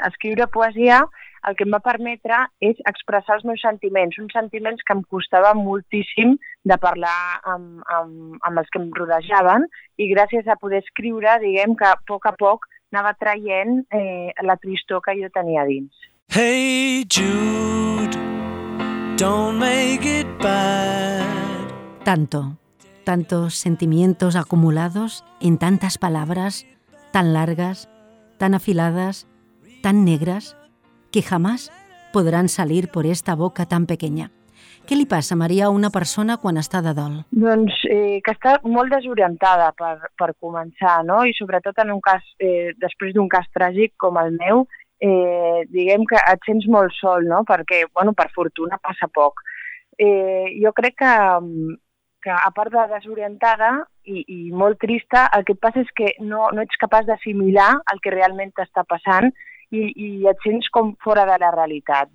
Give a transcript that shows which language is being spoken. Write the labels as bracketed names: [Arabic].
[Catalan] Escriure poesia el que em va permetre és expressar els meus sentiments, uns sentiments que em costava moltíssim de parlar amb els que em rodejaven i gràcies a poder escriure, diguem que a poc anava traient la tristor que jo tenia a dins. [English] Hey Jude, don't make it bad. [Spanish] Tanto, tantos sentimientos acumulados en tantas palabras, tan largas, tan afiladas, tan negras, que jamás podran salir por esta boca tan pequeña. [Catalan] Què li passa, Maria, a una persona quan està de dol? Doncs que està molt desorientada per començar, no? I sobretot en un cas, després d'un cas tràgic com el meu, diguem que et sents molt sol, no? Perquè, bueno, per fortuna passa poc. Jo crec que a part de desorientada i molt trista, el que et passa és que no ets capaç d'assimilar el que realment t'està passant i et sents com fora de la realitat.